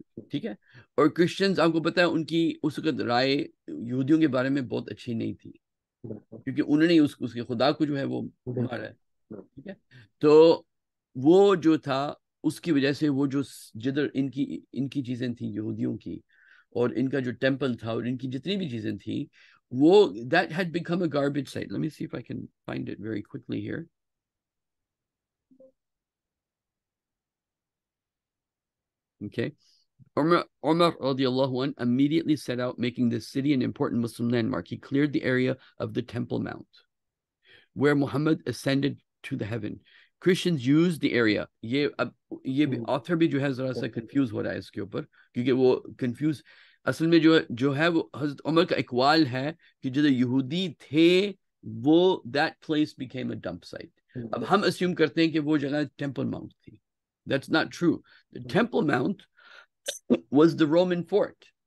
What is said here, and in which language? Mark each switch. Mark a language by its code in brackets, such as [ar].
[ur] ٹھیک ہے, اور کرسچنز آپ کو پتا ہے ان کی اس وقت رائے یہودیوں کے بارے میں بہت اچھی نہیں تھی, کیونکہ انہوں نے اس کے خدا کو جو ہے وہ مارا ہے, ٹھیک ہے, تو وہ جو تھا اس کی وجہ سے وہ جو جدھر ان کی چیزیں تھیں یہودیوں کی اور ان کا جو ٹیمپل تھا اور ان کی جتنی بھی چیزیں تھیں وہ [en] that had become a garbage site. Let me see if I can find it very quickly here. Okay. Umar رضی اللہ عنہ immediately set out making this city an important Muslim landmark. He cleared the area of the Temple Mount where Muhammad ascended to the heaven. Christians used the area. [ur] یہ author بھی جو ہے ذرا سا confuse ہو رہا ہے اس کے اوپر, کیونکہ وہ confuse اصل میں جو ہے وہ حضرت عمر کا اقوال ہے کہ جو یہودی تھے وہ [en] that place became a dump site. [ur] اب ہم اسیوم کرتے ہیں کہ وہ جگہ ٹیمپل ماؤنٹ تھی. [en] That's not true. The temple mount was the Roman fort.